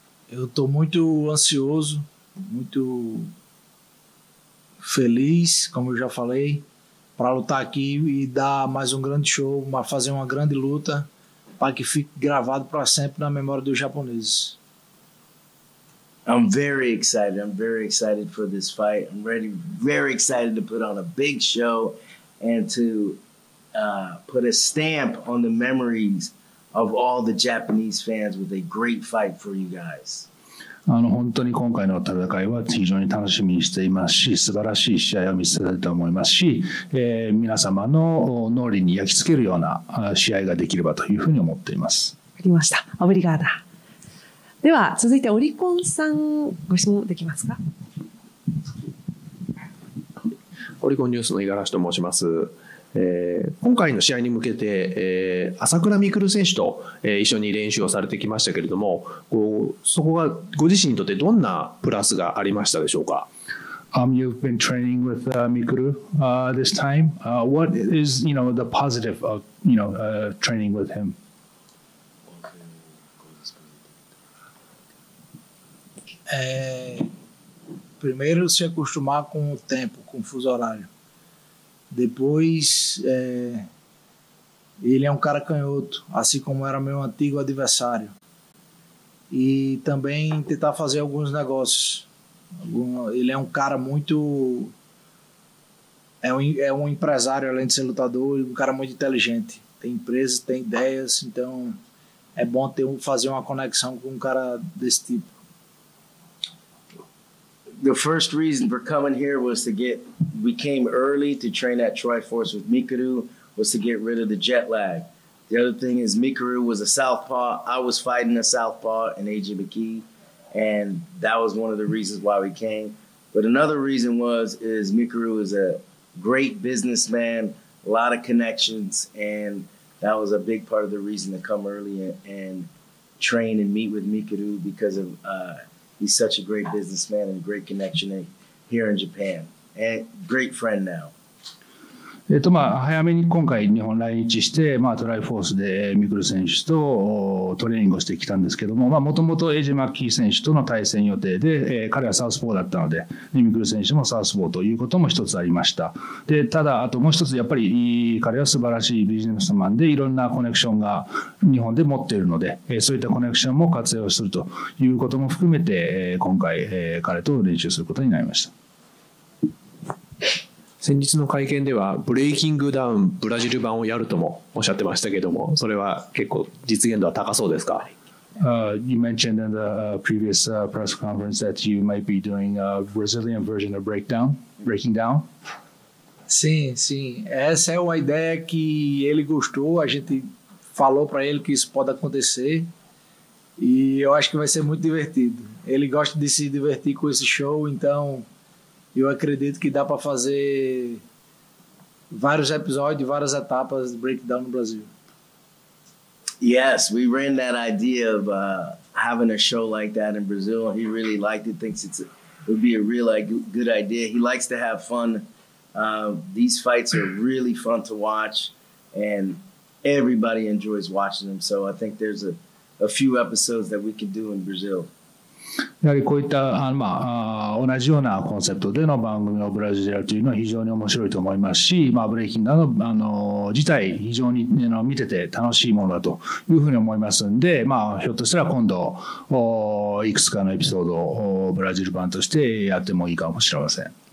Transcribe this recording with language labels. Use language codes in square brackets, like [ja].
[pt] Eu estou muito ansioso, muito feliz, como eu já falei, para lutar aqui e dar mais um grande show, fazer uma grande luta, para que fique gravado para sempre na memória dos japoneses. [en] I'm very excited. I'm very excited for this fight. I'm ready, very excited to put on a big show and to put a stamp on the memories of all the Japanese fans with a great fight for you guys. [ja] 本当に今回の戦いは非常に楽しみにしていますし、素晴らしい試合を見せたいと思いますし、皆様の脳裏に焼き付けるような試合ができればというふうに思っています。わかりました。オブリガーダ。では続いてオリコンさん、ご質問できますか。オリコンニュースの五十嵐と申します。今回の試合に向けて、朝倉未来選手と、一緒に練習をされてきましたけれども、こうそこがご自身にとってどんなプラスがありましたでしょうか。 [en] You've been training with Mikuru this time. What is, you know, the positive of, you know, training with him? [pt] Primeiro, se acostumar com o tempo, com o fuso horário. Depois, ele é um cara canhoto, assim como era meu antigo adversário. E também tentar fazer alguns negócios. Ele é um cara muito... É um empresário, além de ser lutador, um cara muito inteligente. Tem empresas, tem ideias, então é bom fazer uma conexão com um cara desse tipo. [en] The first reason for coming here was to get... We came early to train at Triforce with Mikuru, was to get rid of the jet lag. The other thing is Mikuru was a southpaw. I was fighting a southpaw in AJ McKee. And that was one of the reasons why we came. But another reason was, is Mikuru is a great businessman, a lot of connections. And that was a big part of the reason to come early and train and meet with Mikuru because of he's such a great businessman and great connection here in Japan. And great friend now. [ja] まあ、早めに今回日本来日して、まあ、トライフォースでミクル選手とトレーニングをしてきたんですけども、もともとエイジ・マッキー選手との対戦予定で、彼はサウスポーだったのでミクル選手もサウスポーということも一つありました。でただあともう一つやっぱり彼は素晴らしいビジネスマンでいろんなコネクションが日本で持っているので、そういったコネクションも活用するということも含めて、今回、彼と練習することになりました。先日の会見ではブレイキングダウンブラジル版をやるともおっしゃってましたけども、それは結構実現度は高そうですか。 [en] You mentioned in the previous press conference that you might be doing a Brazilian version of breaking down. [pt] Sim, sim, essa é uma ideia que ele gostou, a gente falou para ele que isso pode acontecer e eu acho que vai ser muito divertido. Ele gosta de se divertir com esse show, então eu acredito que dá para fazer vários episódios, várias etapas de breakdown no Brasil. [en] Yes, we ran that idea of having a show like that in Brazil. He really liked it, thinks it would be a real good idea. He likes to have fun. These fights are really fun to watch, and everybody enjoys watching them. So I think there's a few episodes that we could do in Brazil. [ja] やはりこういったまあ、同じようなコンセプトでの番組をブラジルというのは非常に面白いと思いますし、まあ、ブレイキングなど自体非常に見てて楽しいものだというふうに思いますんで、まあ、ひょっとしたら今度いくつかのエピソードをブラジル版としてやってもいいかもしれません。